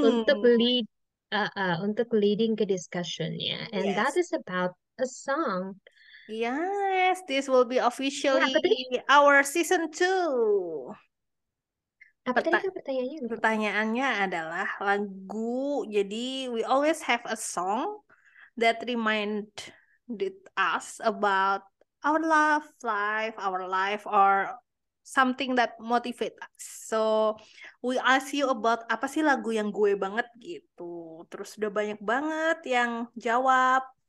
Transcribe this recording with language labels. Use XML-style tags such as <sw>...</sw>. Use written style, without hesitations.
<id>untuk leading ke discussion-nya.</id> <en>And that is about a song. Yes, this will be officially</en> <id>Apa tadi?</id> <en>our season 2.</en> <id>Apa tadi kan pertanyaannya? Pertanyaannya adalah lagu.</id> <en>Jadi we always have a song that reminded us about our love life, our life, or something that motivate us. So we ask you about</en> <id>apa sih lagu yang gue banget gitu. Terus udah banyak banget yang jawab.</id>